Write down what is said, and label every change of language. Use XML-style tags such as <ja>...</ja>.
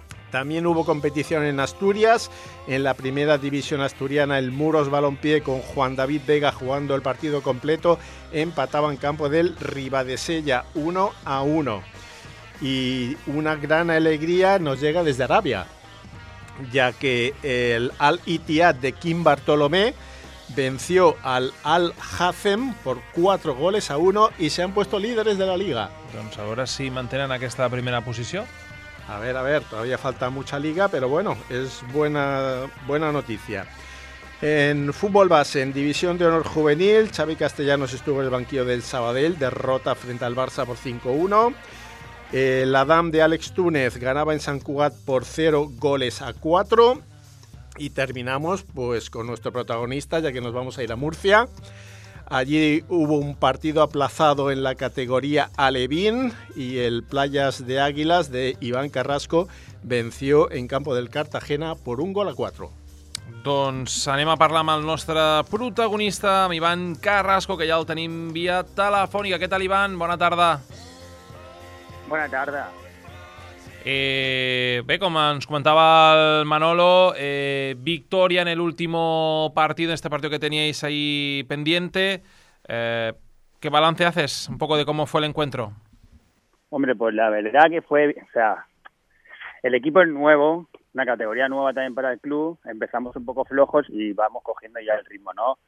<es>También hubo competición en Asturias, en la primera división asturiana el Muros Balompié, con Juan David Vega jugando el partido completo, empataba en campo del Ribadesella 1-1. Y una gran alegría nos llega desde Arabia, ya que el Al-Ittihad de Kim Bartolomé venció al Al-Hazem por 4-1 y se han puesto líderes de la liga.</es> <ca>Doncs ahora sí mantenen aquesta primera posició.</ca> <es>A ver, todavía falta mucha liga, pero bueno, es buena, buena noticia. En fútbol base, en división de honor juvenil, Xavi Castellanos estuvo en el banquillo del Sabadell, derrota frente al Barça por 5-1. El Adam de Àlex Túnez ganaba en Sant Cugat por 0-4. Y terminamos pues con nuestro protagonista, ya que nos vamos a ir a Murcia. Allí hubo un partido aplazado en la categoría alevín y el Playas de Águilas de Iván Carrasco venció en campo del Cartagena por 1-4.</es> <ca>Doncs anem a parlar amb el nostre protagonista, amb Iván Carrasco, que ja el tenim via telefònica. Què tal, Iván? Bona tarda. Bona tarda. Bé, com ens comentava el Manolo, victòria</ca> <es>en el último partido, en este partido que teníais ahí pendiente. ¿Qué balance haces un poco de cómo fue el encuentro? Hombre, pues la verdad que fue, o sea, el equipo es nuevo, una categoría nueva también para el club, empezamos un poco flojos y vamos cogiendo ya el ritmo, ¿no?</es>